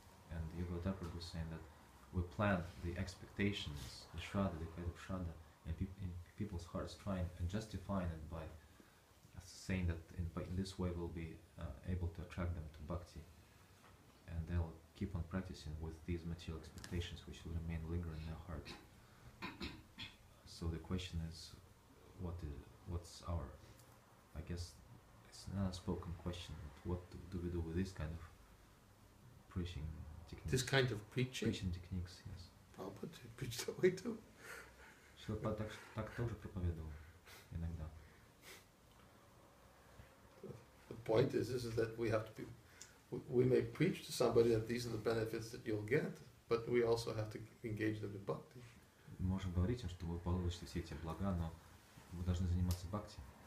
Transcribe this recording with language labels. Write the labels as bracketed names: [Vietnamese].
[English] And Yoga Dharpur was saying that we plant the expectations, the shraddha, the kind of shraddha, in people's hearts, trying and justifying it by saying that in this way we'll be able to attract them to bhakti, and they'll keep on practicing with these material expectations which will remain lingering in their heart. So the question is, what's our, I guess it's an unspoken question, what do we do with this kind of preaching techniques? This kind of preaching? Preaching techniques, yes. Prabhupada did preach that way too. [Russian] Шилапада так тоже проповедовал иногда. [English] The point is that we have to be, we may preach to somebody that these are the benefits that you'll get, but we also have to engage them in bhakti. [Russian] Мы можем говорить им, что вы получите все эти блага, но вы должны заниматься бхакти.